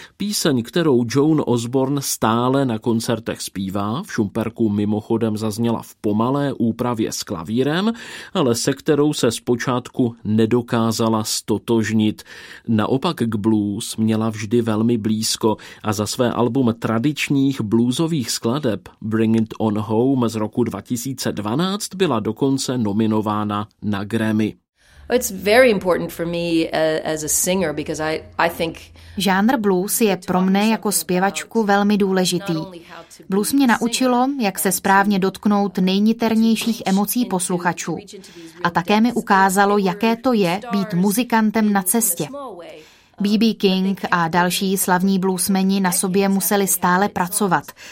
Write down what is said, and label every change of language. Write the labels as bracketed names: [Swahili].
[Czech] Píseň, kterou Joan Osborne stále na koncertech zpívá, v Šumperku mimochodem zazněla v pomalé úpravě s klavírem, ale se kterou se zpočátku nedokázala ztotožnit. Naopak k blues měla vždy velmi blízko a za své album tradičních bluesových skladeb Bring It On Home z roku 2012 byla dokonce nominována na Grammy. [English] It's very important for me as a singer because I think [Czech] žánr blues je pro mne jako zpěvačku velmi důležitý. Blues mě naučilo, jak se správně dotknout nejniternějších emocí posluchačů. A také mi ukázalo, jaké to je být muzikantem na cestě. B.B. King a další slavní bluesmeni na sobě museli stále pracovat.